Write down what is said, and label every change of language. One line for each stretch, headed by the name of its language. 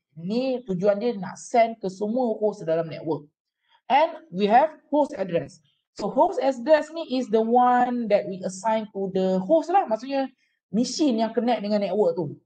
Malay: Ni tujuan dia nak send ke semua host dalam network.
English: And we have host address. So host address ni is the one that we assign to the host lah.
Malay: Maksudnya machine yang connect dengan network tu.